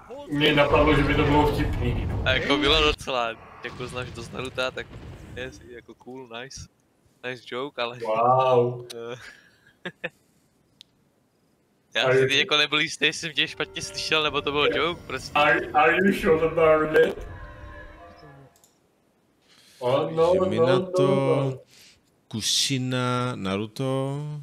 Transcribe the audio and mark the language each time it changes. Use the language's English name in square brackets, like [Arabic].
[Czech] Mně napadlo, že by to bylo vtipný. A jako bylo docela, jako znáš dost Naruta, tak je jako [English] cool, nice. Nice joke, ale... Wow. [Czech] Já si teď jako nebyl jistý, jestli jsem tě špatně slyšel, nebo to bylo joke, prostě. [English] Are you sure about it? Oh, no, Minato, no. Kushina, Naruto...